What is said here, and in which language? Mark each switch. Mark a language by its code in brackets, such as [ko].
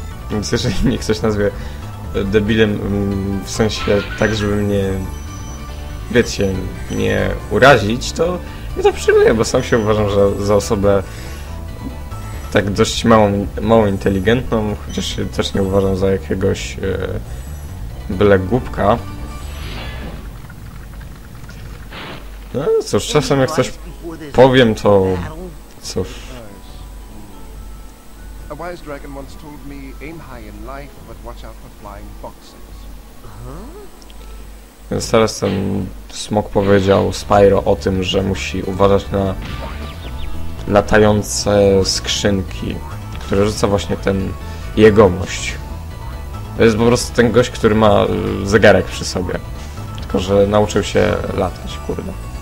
[pl] Więc jeżeli mnie ktoś nazwie debilem, w sensie tak, żeby mnie, wiecie, nie urazić, to mnie to przyjmuje, bo sam się uważam, że za osobę tak dość mało inteligentną, chociaż się też nie uważam za jakiegoś byle głupka. No cóż, czasem jak coś powiem, to cóż. [en] A wise dragon once told me, aim high in life, but watch out for flying foxes. [pl] Więc teraz ten smok powiedział Spyro o tym, że musi uważać na latające skrzynki, które rzuca właśnie ten jegomość. To jest po prostu ten gość, który ma zegarek przy sobie. Tylko że nauczył się latać, kurde.